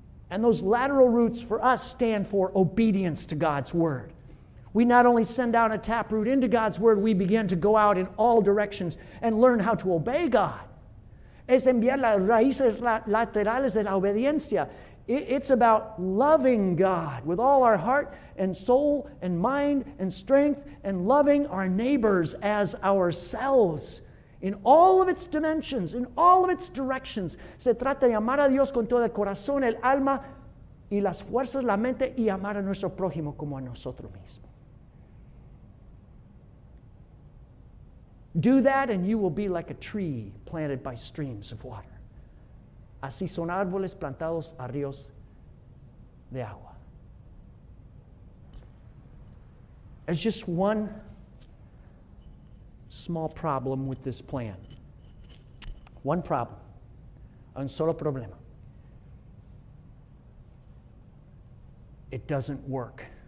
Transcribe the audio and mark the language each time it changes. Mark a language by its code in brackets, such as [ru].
[en] And those lateral roots for us stand for obedience to God's word. We not only send down a taproot into God's word, we begin to go out in all directions and learn how to obey God. [es] Es enviar las raíces laterales de la obediencia. [en] It's about loving God with all our heart and soul and mind and strength and loving our neighbors as ourselves in all of its dimensions, in all of its directions. [es] Se trata de amar a Dios con todo el corazón, el alma y las fuerzas, la mente, y amar a nuestro prójimo como a nosotros mismos. [en] Do that and you will be like a tree planted by streams of water. [es] Así son árboles plantados a ríos de agua. [en] There's just one small problem with this plan. One problem. [es] Un solo problema. [en] It doesn't work.